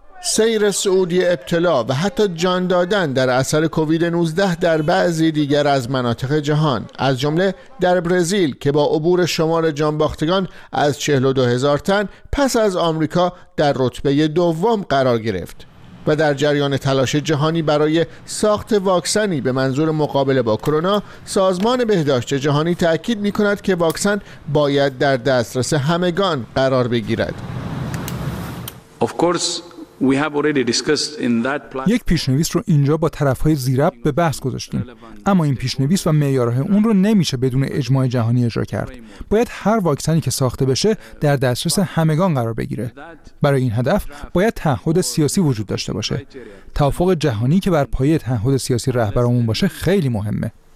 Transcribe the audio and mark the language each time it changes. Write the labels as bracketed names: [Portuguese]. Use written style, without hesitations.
[Persian] سیر سعودی ابتلا و حتی جان دادن در اثر کووید 19 در بعضی دیگر از مناطق جهان، از جمله در برزیل که با عبور شمار جانباختگان از 42 هزار تن پس از آمریکا در رتبه دوم قرار گرفت، و در جریان تلاش جهانی برای ساخت واکسنی به منظور مقابله با کرونا، سازمان بهداشت جهانی تأکید می‌کند که واکسن باید در دسترس همگان قرار بگیرد. [English] Of course we have already discussed in that plan. [Persian] یک پیشنویس رو اینجا با طرف‌های زیرب به بحث گذاشتیم، اما این پیشنویس و معیارهای اون رو نمیشه بدون اجماع جهانی اجرا کرد. باید هر واکسنی که ساخته بشه در دسترس همگان قرار بگیره. برای این هدف باید تعهد سیاسی وجود داشته باشه. توافق جهانی که بر پایه تعهد سیاسی رهبرامون باشه خیلی مهمه.